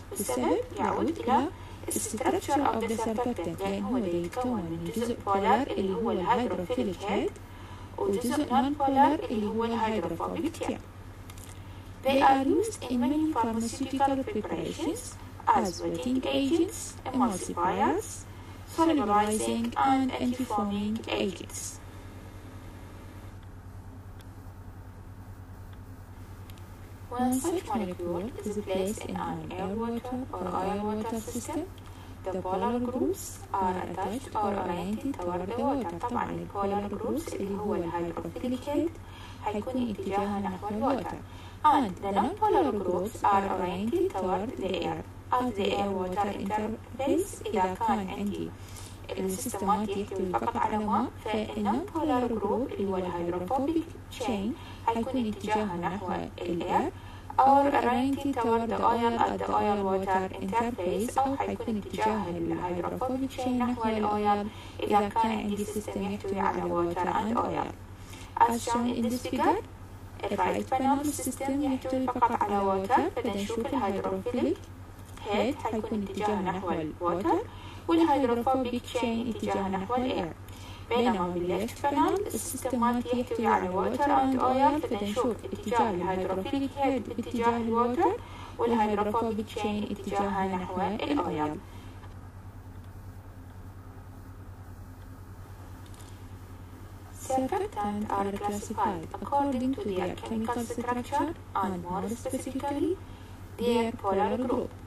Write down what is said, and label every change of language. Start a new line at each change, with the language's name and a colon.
Arabic: السبب يعود إلى
English: structure of the surfactant،
Arabic: لأن هو يتكون من جزء polar اللي هو الهيدروفيليك head وجزء nonpolar اللي هو الهيدروفوبيك tail.
English: They are used in many pharmaceutical preparations as wetting agents, emulsifiers, solubilizing and anti-foaming agents. When such molecule is placed in an air water or oil water system, the polar groups are attached or oriented toward the water.
Arabic: طبعا polar groups اللي هو الهيدروفيليك هيد حيكون اتجاهها نحو الوتر.
English: And the non-polar groups are oriented toward the air at the air-water interface.
Arabic: إذا كان عندي السيستمات يحتوي فقط على ماء، فالنون-polar group اللي هو الهيدروفوبيك chain حيكون اتجاهها نحو الاير،
English: or oriented toward the oil at the oil-water interface،
Arabic: أو حيكون اتجاه الهيدروفوبيك chain نحو الاير إذا كان عندي سيستم يحتوي على
English: water and oil. As shown in this figure, a right panel system
Arabic: يحتوي فقط على water، فنشوف الهيدروفيليك head حيكون اتجاه نحو الوتر والهيدروفوبيك chain اتجاه نحو الاير، بينما بالليفت panel السيستمات يحتوي على
English: water and oil،
Arabic: فنشوف اتجاه الهيدروفيليك head باتجاه الوتر والهيدروفوبيك chain اتجاه نحو الاير.
English: Surfactants are classified according to their chemical structure and more specifically their polar group.